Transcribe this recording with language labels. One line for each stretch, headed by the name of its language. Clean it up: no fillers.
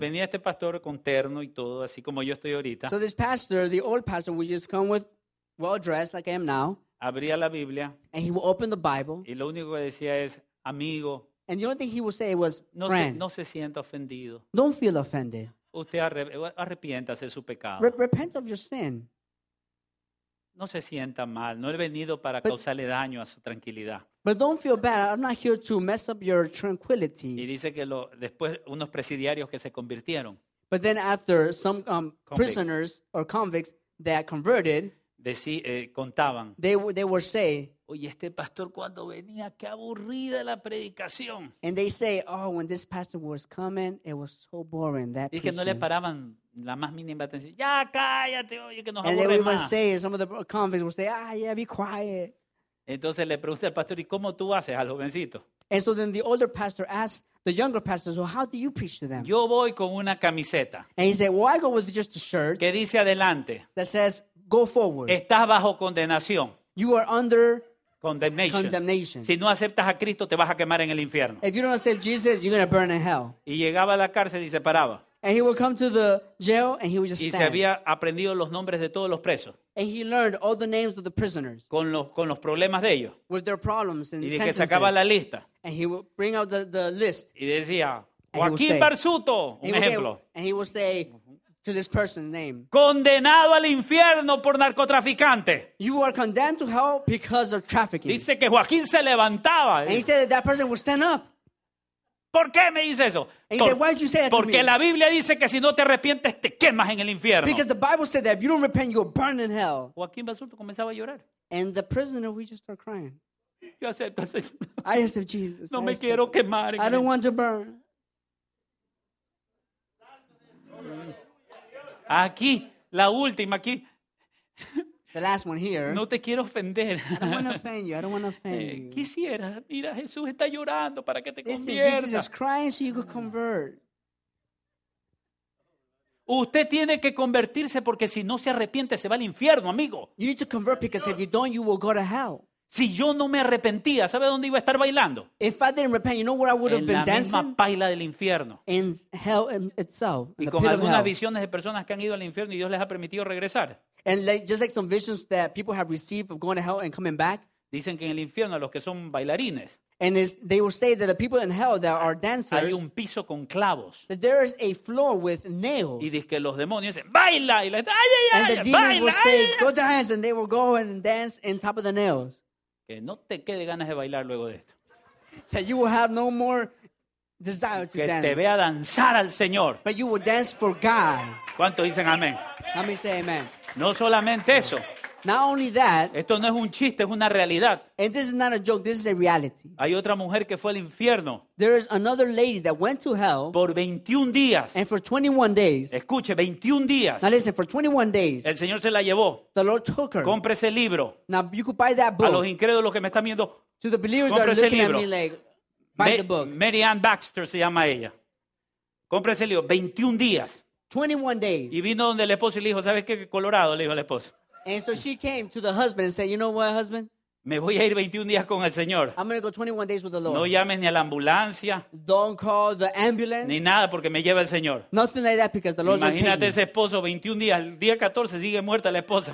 Spanish: Venía este pastor con terno y todo así como yo estoy ahorita.
English: So this pastor, the old pastor, would just come with well dressed like I am now.
Spanish: Abría la Biblia.
English: And he would open the Bible.
Spanish: Y lo único que decía es amigo.
English: And the only thing he would say was friend.
Spanish: No se sienta ofendido.
English: Don't feel offended.
Spanish: Usted arrepiéntase de su pecado.
English: Repent of your sin.
Spanish: No se sienta mal. No he venido para causarle daño a su tranquilidad.
English: But don't feel bad. I'm not here to mess up your tranquility.
Spanish: Y dice que después unos presidiarios que se convirtieron.
English: But then after some prisoners or convicts that converted,
Spanish: contaban.
English: They were say.
Spanish: Oye, este pastor cuando venía, qué aburrida la predicación.
English: And they say, oh, when this pastor was coming, it was so boring that.
Spanish: Y que no le paraban la más mínima atención. Ya cállate, oye, que nos aburre más.
English: And they would say, some of the convicts would say, ah, yeah, be quiet.
Spanish: Entonces le pregunta al pastor, ¿y cómo tú haces al jovencito?
English: And so then the older pastor asks the younger pastor, so how do you preach to them?
Spanish: Yo voy con una camiseta.
English: And he said, well, I go with just a shirt.
Spanish: Que dice adelante.
English: That says, go forward.
Spanish: Estás bajo condenación.
English: You are under condemnation.
Spanish: Si no aceptas a Cristo, te vas a quemar en el infierno.
English: If you don't accept Jesus, you're going to burn in hell.
Spanish: Y llegaba a la cárcel y se paraba.
English: And he would come to the jail and he would just stand.
Spanish: Y se había aprendido los nombres de todos los presos.
English: And he learned all the names of the prisoners.
Spanish: Con los problemas de ellos.
English: With their problems and
Spanish: y
English: sentences.
Spanish: Y que sacaba la lista.
English: And he would bring out the list.
Spanish: Y decía, Joaquín Barzuto, un ejemplo.
English: And he would say to this person's name.
Spanish: Condenado al infierno por narcotraficante.
English: You are condemned to hell because of trafficking.
Spanish: Dice que Joaquín se levantaba.
English: And he said that person would stand up.
Spanish: ¿Por qué me dice eso?
English: Said,
Spanish: porque la Biblia dice que si no te arrepientes te quemas en el infierno.
English: Because the Bible said that if you don't repent you'll burn in hell.
Spanish: Joaquín Basurto comenzaba a llorar.
English: And the prisoner we just start crying.
Spanish: Yo acepto.
English: I accept Jesus.
Spanish: No
English: I
Spanish: me
English: accept.
Spanish: Quiero quemar.
English: I don't want to burn.
Spanish: Aquí, la última aquí.
English: The last one here.
Spanish: No te quiero ofender.
English: I don't want to offend you. I don't want to offend you.
Spanish: Quisiera. Mira, Jesús está llorando para que te
English: Listen,
Spanish: convierta.
English: Jesus is crying so you could convert.
Spanish: Usted tiene que convertirse porque si no se arrepiente se va al infierno, amigo.
English: You need to convert because if you don't, you will go to hell.
Spanish: Si yo no me arrepentía, ¿sabe dónde iba a estar bailando?
English: If I didn't repent, you know where I would have been dancing?
Spanish: En la misma paila del infierno.
English: In hell itself.
Spanish: Y con algunas visiones de personas que han ido al infierno y Dios les ha permitido regresar.
English: And like, just like some visions that people have received of going to hell and coming back.
Spanish: Dicen que en el infierno los que son bailarines.
English: And they will say that the people in hell that are dancers.
Spanish: Hay un piso con clavos.
English: That there is a floor with nails.
Spanish: Y dicen que los demonios dicen, ¡baila! Y les, ¡ay, ay,
English: and
Spanish: ay,
English: the demons
Spanish: baila,
English: will say,
Spanish: ay,
English: go dance, and they will go and dance on top of the nails.
Spanish: Que no te quede ganas de bailar luego de esto.
English: That you will have no more desire to
Spanish: que
English: dance.
Spanish: Que te vea danzar al Señor.
English: But you will dance for God.
Spanish: ¿Cuántos dicen amén?
English: Let me say amen.
Spanish: No solamente eso.
English: Not only that.
Spanish: Esto no es un chiste, es una realidad.
English: And this is not a joke, this is a reality.
Spanish: Hay otra mujer que fue al infierno.
English: There is another lady that went to hell.
Spanish: Por 21 días.
English: And for 21 days.
Spanish: Escuche, 21 días.
English: Now listen, for 21 days.
Spanish: El Señor se la llevó.
English: The Lord took her.
Spanish: Compre ese libro.
English: Now you could buy that book.
Spanish: A los incrédulos que me están viendo.
English: To the believers that are looking at me like, buy the book.
Spanish: Mary Ann Baxter se llama ella. Compre ese libro, 21 días.
English: 21 days.
Spanish: Y vino donde el esposo y le dijo, ¿sabes qué? Colorado, le dijo el esposo.
English: And so she came to the husband and said, you know what, husband?
Spanish: Me voy a ir 21 días con el Señor.
English: I'm going to go 21 days with the Lord.
Spanish: No llames ni a la ambulancia.
English: Don't call the ambulance.
Spanish: Ni nada porque me lleva el Señor.
English: Nothing like that because the Lord's going to take me.
Spanish: Imagínate ese esposo 21 días. El día 14 sigue muerta la esposa.